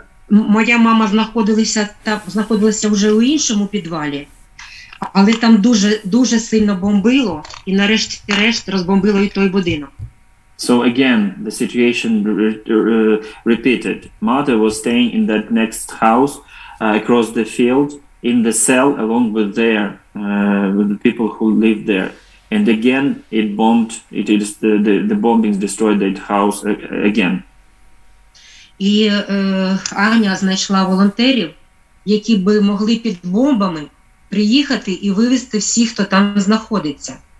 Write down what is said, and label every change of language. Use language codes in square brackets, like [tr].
[uk] Моя мама знаходилася вже у іншому підвалі, але там дуже сильно бомбило, і нарешті-решт розбомбило і той будинок. [en] So again, the situation repeated. Mother was staying in that next house across the field in the cell along with their with the people who lived there. And again, it bombed. It is the bombings destroyed that house again. [uk] І Аня знайшла волонтерів, які би могли під бомбами приїхати і вивезти всіх, хто там знаходиться.